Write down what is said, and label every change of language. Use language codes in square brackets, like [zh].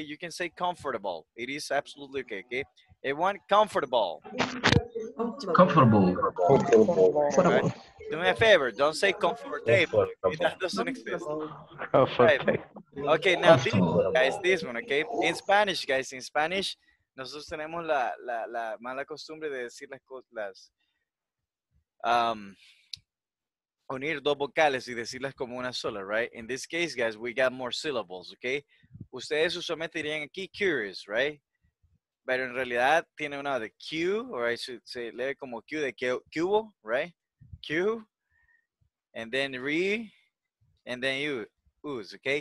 [en] You can say comfortable. It is absolutely okay. Okay. Everyone, comfortable. Comfortable. Right. Do me a favor, don't say comfortable. That doesn't exist. Right. Okay, now this one, guys, this one, okay? In Spanish, guys, in Spanish, [es] nosotros tenemos la mala costumbre de decir las cosas, unir dos vocales y decirlas como una sola, right? [en] In this case, guys, we got more syllables, okay? [es] Ustedes usualmente dirían aquí [en] curious, right? [es] Pero en realidad tiene una de Q, [en] or I should say, [es] lee como Q de cubo, right? [en] Q, and then re, and then you, U's, okay?